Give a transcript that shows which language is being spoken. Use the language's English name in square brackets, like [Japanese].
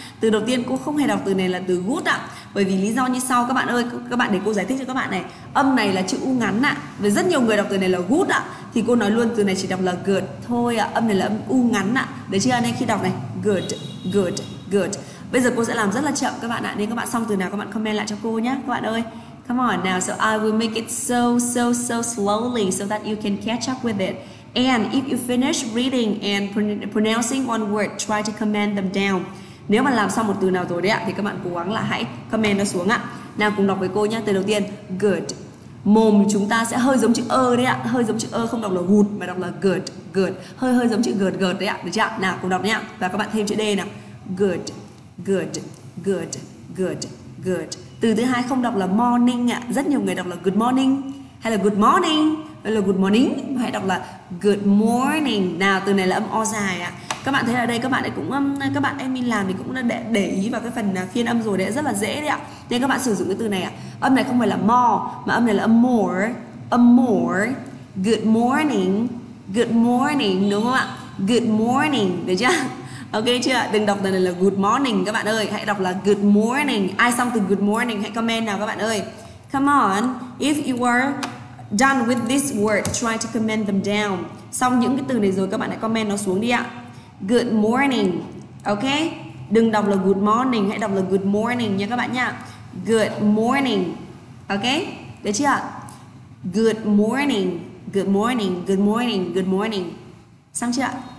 [Vietnamese] Từ đầu tiên cô không hề đọc từ này là từ good ạ. Bởi vì lý do như sau các bạn ơi, các bạn để cô giải thích cho các bạn này. Âm này là chữ U ngắn ạ. Với rất nhiều người đọc từ này là good ạ, thì cô nói luôn từ này chỉ đọc là good thôi ạ. Âm này là âm U ngắn ạ. Đấy chưa, nên khi đọc này good, good, good. Bây giờ cô sẽ làm rất là chậm các bạn ạ. Nên các bạn xong từ nào các bạn comment lại cho cô nhá. Các bạn ơi, [English] come on now. So I will make it so so so slowly so that you can catch up with it. And if you finish reading and pronouncing one word, try to comment them down. [Vietnamese] Nếu mà làm xong một từ nào rồi đấy ạ, thì các bạn cố gắng là hãy comment nó xuống ạ. Nào cùng đọc với cô nhé. Từ đầu tiên, good. Mồm chúng ta sẽ hơi giống chữ ơ đấy ạ. Hơi giống chữ ơ, không đọc là good mà đọc là good, good. Hơi hơi giống chữ good, good đấy ạ. Được chưa ạ? Nào cùng đọc nhé. Và các bạn thêm chữ D nào. Good, good, good, good, good. Từ thứ hai không đọc là morning ạ. Rất nhiều người đọc là good morning hay là good morning. Đây là good morning, hãy đọc là good morning. Nào từ này là âm o dài ạ. Các bạn thấy ở đây các bạn ấy cũng các bạn admin làm thì cũng để ý vào cái phần phiên âm rồi đấy, rất là dễ đấy ạ. Nên các bạn sử dụng cái từ này ạ. Âm này không phải là more mà âm này là more, âm more. [English] Good morning, good morning, [Vietnamese] đúng không ạ? Good morning, được chưa? Ok chưa? Đừng đọc từ này là good morning các bạn ơi, hãy đọc là good morning. Ai xong từ good morning hãy comment nào các bạn ơi. [English] Come on, if you are done with this word, try to comment them down. [Vietnamese] Xong những cái từ này rồi các bạn hãy comment nó xuống đi ạ. Good morning. Ok. Đừng đọc là good morning, hãy đọc là good morning nha các bạn nha. [English] Good morning. Ok. [Vietnamese] Được chưa? [English] Good morning. Good morning. Good morning. Good morning. [Vietnamese] Xong chưa?